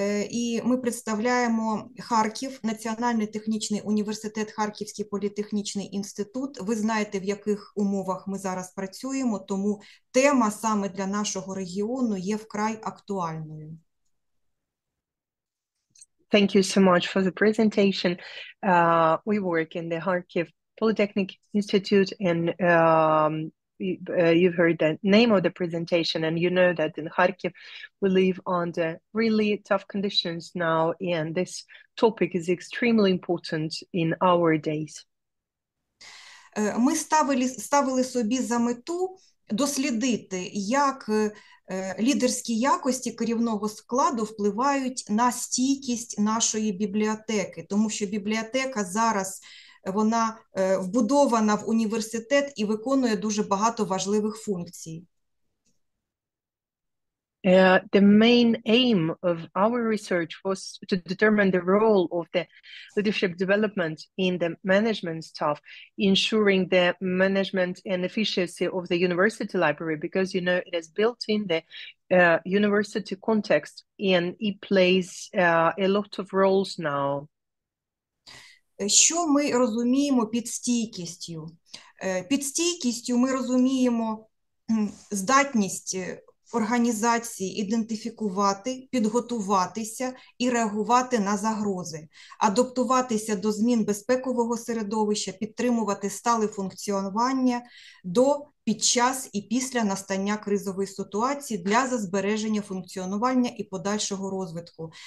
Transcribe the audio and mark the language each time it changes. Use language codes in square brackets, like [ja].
[uk] І ми представляємо Харків, Національний технічний університет, Харківський політехнічний інститут. Ви знаєте, в яких умовах ми зараз працюємо, тому тема саме для нашого регіону є вкрай актуальною. [en] Thank you so much for the presentation. We work in the Kharkiv Polytechnic Institute and you've heard the name of the presentation, and you know that in Kharkiv we live under really tough conditions now, and this topic is extremely important in our days. [uk] Ми ставили собі за мету дослідити, як лідерські якості керівного складу впливають на стійкість нашої бібліотеки, тому що бібліотека зараз вона вбудована в університет і виконує дуже багато важливих функцій. [en] The main aim of our research was to determine the role of the leadership development in the management staff, ensuring the management and efficiency of the university library, because you know it is built in the university context and it plays a lot of roles now. [uk] Що ми розуміємо під стійкістю? Під стійкістю ми розуміємо здатність організації ідентифікувати, підготуватися і реагувати на загрози, адаптуватися до змін безпекового середовища, підтримувати стале функціонування до, під час і після настання кризової ситуації для збереження функціонування і подальшого розвитку.